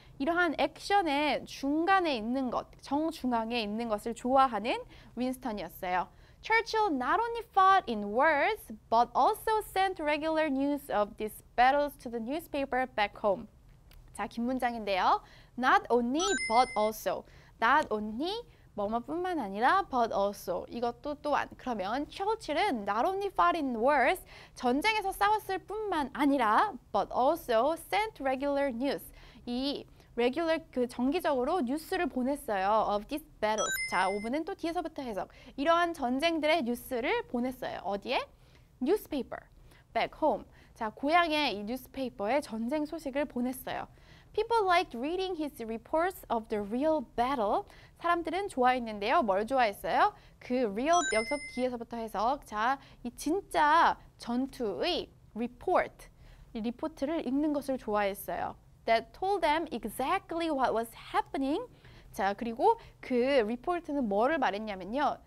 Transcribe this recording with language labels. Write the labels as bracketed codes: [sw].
[ko] 이러한 액션의 중간에 있는 것, 정중앙에 있는 것을 좋아하는 윈스턴이었어요. [en] Churchill not only fought in wars, but also sent regular news of these battles to the newspaper back home. [ko] 자, 긴 문장인데요. [en] Not only, but also. Not only, [ko] 뭐뿐만 아니라, [en] but also. [ko] 이것도 또한. [en] 그러면 Churchill은 not only fought in wars, [ko] 전쟁에서 싸웠을 뿐만 아니라, [en] but also sent regular news. [ko] 이 regular, 그 정기적으로 뉴스를 보냈어요. [en] Of these battles. [ko] 자, 5분은 또 뒤에서부터 해석. 이러한 전쟁들의 뉴스를 보냈어요. 어디에? [en] Newspaper. Back home. [ko] 자, 고향에 이 뉴스페이퍼에 전쟁 소식을 보냈어요. [en] People liked reading his reports of the real battle. [ko] 사람들은 좋아했는데요. 뭘 좋아했어요? 그 real, 여기서 뒤에서부터 해석. 자, 이 진짜 전투의 report, 이 리포트를 읽는 것을 좋아했어요. [en] That told them exactly what was happening. [ko] 자, 그리고 그 report는 뭐를 말했냐면요.